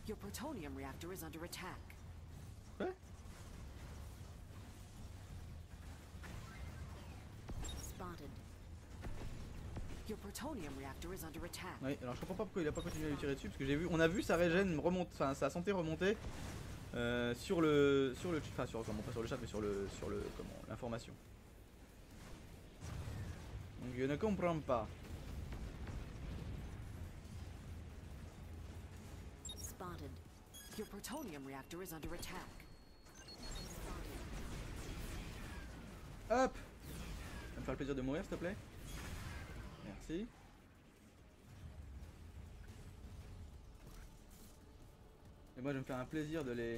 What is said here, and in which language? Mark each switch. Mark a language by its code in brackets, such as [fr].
[en] Your plutonium reactor is under attack. [fr] Quoi ? [en] Spotted. Your plutonium reactor is under attack. [fr] Oui, alors je comprends pas pourquoi il a pas continué à lui tirer dessus, parce que j'ai vu, on a vu sa régène remonte, enfin sa santé remonter sur le, enfin sur, comment, pas sur le chat, mais sur le, comment, l'information. Donc je ne comprends pas. [en] Spotted. Your plutonium reactor is under attack. Hop. [fr] Ça me fait le plaisir de mourir, s'il te plaît. Merci. Et moi je vais me faire un plaisir de les...